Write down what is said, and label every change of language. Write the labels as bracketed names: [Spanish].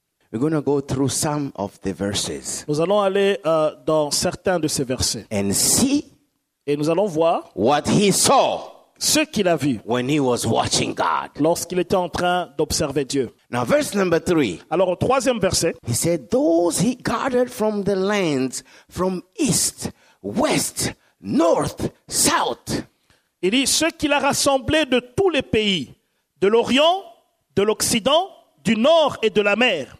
[English] we're going to go through some of the verses. [French] Nous allons aller dans certains de ces versets. [English] And see, [French] et nous allons voir [English] what he saw, [French] ce qu'il a vu, [English] when he was watching God, [French] lorsqu'il était en train d'observer Dieu. [English] Now, verse number 3. [French] Alors au troisième verset, [English] he said, "Those he guarded from the lands, from east, west." North, south. [French] Il dit ceux qu'il a rassemblés de tous les pays, de l'Orient, de l'Occident, du Nord et de la mer.